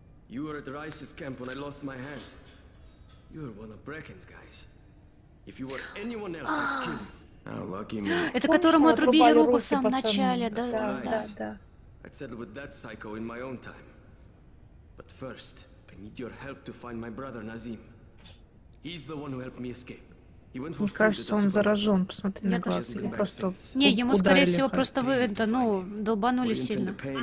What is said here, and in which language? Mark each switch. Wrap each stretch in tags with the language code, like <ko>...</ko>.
<en>You were at Rice's camp when I lost my hand. You were one of Brecken's guys. If you were anyone else, I'd kill you. Oh, lucky me.</en> <ru>Это которому отрубили руку в самом начале, да, да, да.</ru> <en>I'd settle with that psycho in my own time. But first, I need your help to find my brother Nazim. He's the one who helped me escape.</en> <ru>Мне кажется, он заражен, посмотри на глаз, или просто ударили. Не, ему, скорее всего, просто вы, да, ну, долбанули сильно.</ru>